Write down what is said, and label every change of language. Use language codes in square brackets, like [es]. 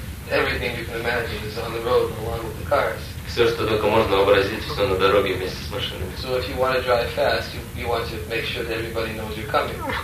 [en] Everything you can imagine is on the road along with the cars. [ru] Все, что только можно вообразить, все на дороге вместе с машинами. [en] So if you want to drive fast, you want to make sure that everybody knows you're coming.